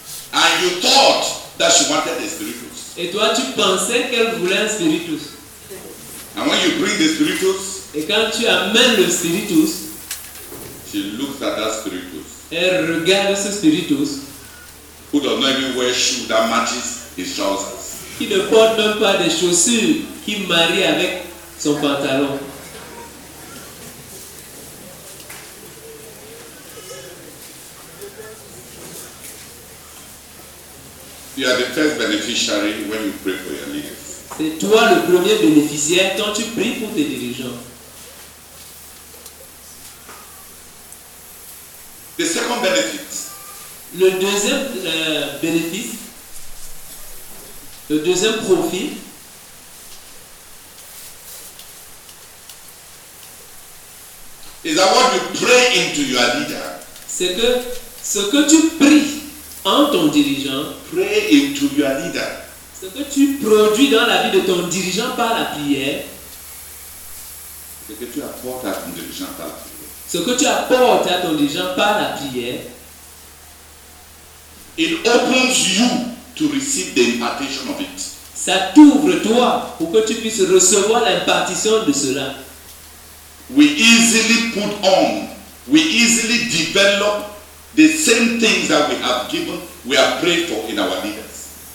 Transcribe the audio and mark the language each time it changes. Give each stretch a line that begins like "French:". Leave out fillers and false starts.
English: And you thought that she wanted a spiritus.
French: Et toi, tu pensais qu'elle voulait un spiritus.
English: And when you bring the spiritus,
French: et quand tu amènes le spiritus,
English: she looks at that spiritus.
French: Elle regarde ce spiritus.
English: Who does not even wear shoes that matches his trousers?
French: Qui ne porte même pas des chaussures qui marient avec son pantalon.
English: You are the first beneficiary when you pray for your leaders.
French: C'est toi le premier bénéficiaire quand tu pries pour tes dirigeants.
English: The second benefit.
French: Le deuxième bénéfice, le deuxième profit,
English: is that what you pray into your leader.
French: C'est que ce que tu pries en ton dirigeant.
English: Pray into your leader.
French: Ce que tu produis dans la vie de ton dirigeant par la prière. Ce que tu apportes à ton dirigeant par la prière. Ce que tu apportes à ton dirigeant par la prière,
English: it opens you to receive the impartation of it.
French: Ça t'ouvre toi pour que tu puisses recevoir l'impartition de cela.
English: We easily put on, we easily develop the same things that we have given, we have prayed for in our leaders.